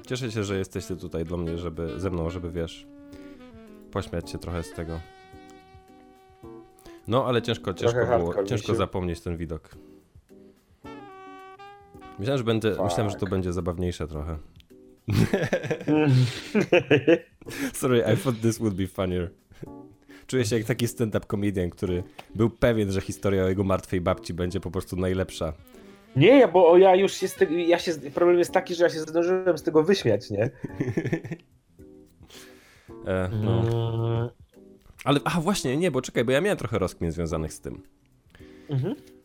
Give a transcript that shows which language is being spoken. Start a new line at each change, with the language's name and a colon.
Polish: Cieszę się, że jesteś tutaj dla mnie, żeby ze mną, żeby, wiesz, pośmiać się trochę z tego. No, ale ciężko było zapomnieć ten widok. Myślałem, że to będzie zabawniejsze trochę.
English: Sorry, I thought this would be funnier.
Polish: Czuję się jak taki stand-up comedian, który był pewien, że historia o jego martwej babci będzie po prostu najlepsza. Nie, bo ja już się z tego, problem jest taki, że ja się zdążyłem z tego wyśmiać, nie? No. Ale, właśnie, nie, bo czekaj, bo ja miałem trochę rozkmin związanych z tym. Mhm.